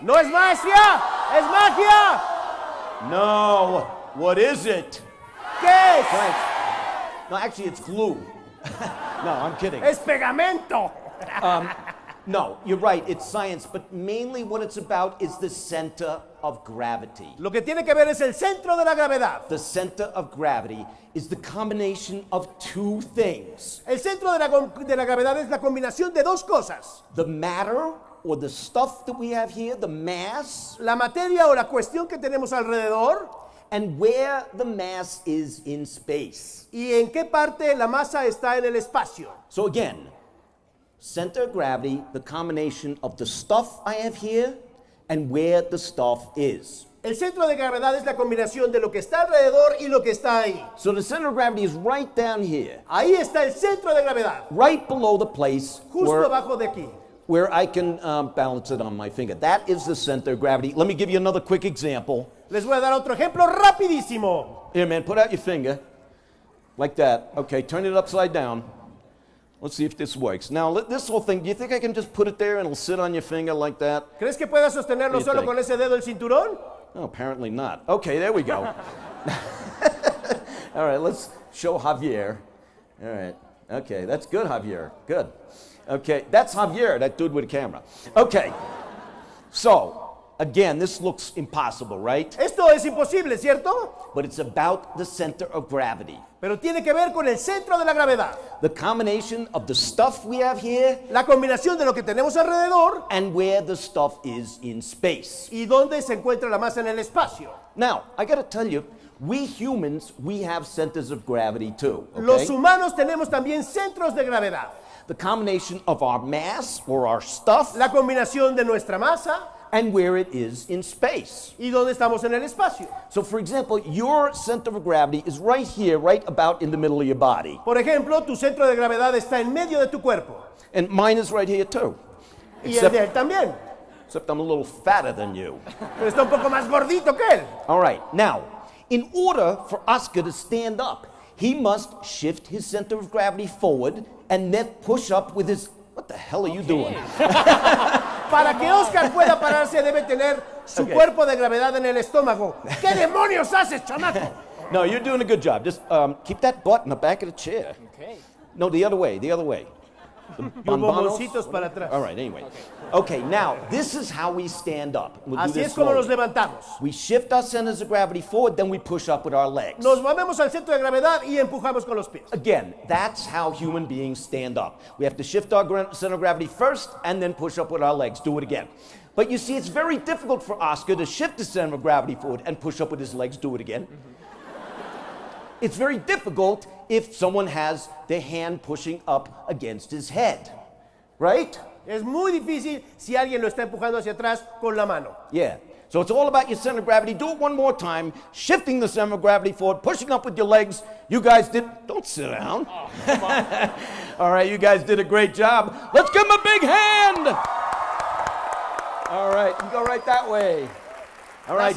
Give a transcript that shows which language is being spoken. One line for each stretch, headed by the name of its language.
Spanish: No es magia. Es magia.
English: No. What is it?
Spanish: ¿Qué es?
English: Right. No, actually, it's glue. No, I'm kidding.
Spanish: Es pegamento.
English: No, you're right. It's science. But mainly what it's about is the center of gravity.
Spanish: Lo que tiene que ver es el centro de la gravedad.
English: The center of gravity is the combination of two things.
Spanish: El centro de la gravedad es la combinación de dos cosas.
English: The matter, or the stuff that we have here, the mass.
Spanish: La materia o la cuestión que tenemos alrededor.
English: And where the mass is in space.
Spanish: Y en qué parte la masa está en el espacio.
English: So again, center of gravity, the combination of the stuff I have here and where the stuff is.
Spanish: El centro de gravedad es la combinación de lo que está alrededor y lo que está ahí.
English: So the center of gravity is right down here.
Spanish: Ahí está el centro de gravedad.
English: Right below the place
Spanish: justo
English: where,
Spanish: abajo de aquí.
English: Where I can balance it on my finger. That is the center of gravity. Let me give you another quick example.
Spanish: Les voy a dar otro ejemplo rapidísimo.
English: Here, man, put out your finger. Like that. Okay, turn it upside down. Let's see if this works. Now, this whole thing, do you think I can just put it there and it'll sit on your finger like that?
Spanish: ¿Crees que pueda sostenerlo solo con ese dedo el cinturón?
English: No, apparently not. Okay, there we go. All right, let's show Javier. All right. Okay, that's good, Javier. Good. Okay, that's Javier, that dude with the camera. Okay, so, again, this looks impossible, right?
Spanish: Esto es imposible, ¿cierto?
English: But it's about the center of gravity.
Spanish: Pero tiene que ver con el centro de la gravedad.
English: The combination of the stuff we have here.
Spanish: La combinación de lo que tenemos alrededor.
English: And where the stuff is in space.
Spanish: Y dónde se encuentra la masa en el espacio.
English: Now, I gotta tell you, we humans, we have centers of gravity too, okay?
Spanish: Los humanos tenemos también centros de gravedad.
English: The combination of our mass or our stuff.
Spanish: La combinación de nuestra masa.
English: And where it is in space.
Spanish: ¿Y dónde estamos en el espacio?
English: So for example, your center of gravity is right here, right about in the middle of your body.
Spanish: Por ejemplo, tu centro de gravedad está en medio de tu cuerpo.
English: And mine is right here too.
Spanish: Y except, el de él también.
English: Except I'm a little fatter than you.
Spanish: Pero está un poco más gordito que él.
English: All right, now, in order for Oscar to stand up, he must shift his center of gravity forward and then push up with his... What the hell are you doing?
Spanish: Para que Oscar pueda pararse, debe tener su cuerpo de gravedad en el estómago. ¿Qué demonios haces, chamaco?
English: No, you're doing a good job. Just keep that butt in the back of the chair. Okay. No, the other way, the other way.
Spanish: Bombositos para atrás.
English: All right, anyway. Okay, now, this is how we stand up. We'll
Spanish: así es como nos levantamos.
English: We shift our centers of gravity forward, then we push up with our legs.
Spanish: Nos movemos al centro de gravedad y empujamos con los pies.
English: Again, that's how human beings stand up. We have to shift our center of gravity first and then push up with our legs. Do it again. But you see, it's very difficult for Oscar to shift the center of gravity forward and push up with his legs. Do it again. Mm-hmm. It's very difficult if someone has their hand pushing up against his head, right?
Spanish: Es muy difícil si alguien lo está empujando hacia atrás con la mano.
English: Yeah, so it's all about your center of gravity. Do it one more time, shifting the center of gravity forward, pushing up with your legs. You guys did, don't sit down. Oh, all right, you guys did a great job. Let's give him a big hand. All right, you go right that way. All right,